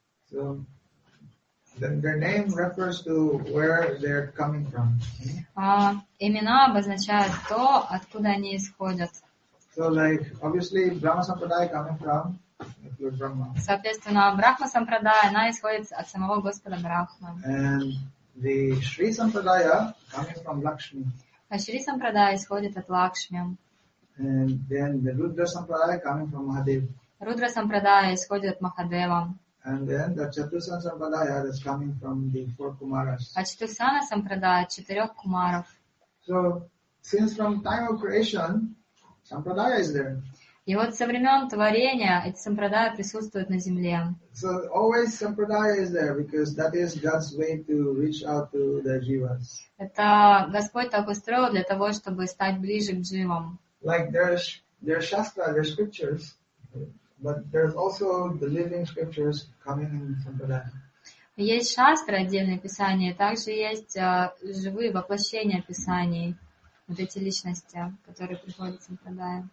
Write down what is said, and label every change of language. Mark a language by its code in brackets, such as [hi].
[en] So, their name refers to where they're coming from. [ru] Имена обозначают то, откуда они исходят. [en] So, like, obviously, Brahma Sampradaya coming from. [ru] Соответственно, Брахма Сампрадая, она исходит от самого Господа Брахма. [en] And the Shri Sampradaya coming from Lakshmi. [ru] А Шри Сампрадая исходит от Лакшми. [en] And then the Rudra Sampradaya coming from Mahadev. [ru] Рудра Сампрадая исходит от Махадева. [en] And then the Chatushan Sampradaya is coming from the four Kumaras. [ru] А Чатусана Сампрадая четырех кумаров. [en] So, since from time of creation, Sampradaya is there. [ru] И вот со времен творения эти сампрадаи присутствуют на земле. [en] So always sampradaya is there because that is God's way to reach out to the jivas. [ru] Это Господь так устроил для того, чтобы стать ближе к дживам. [en] Like there's shastra, there's scriptures, but there's also the living scriptures coming in sampradaya. [ru] Есть шастры, отдельные писания, также есть живые воплощения писаний. Вот эти личности, которые приходят в сампрадаю.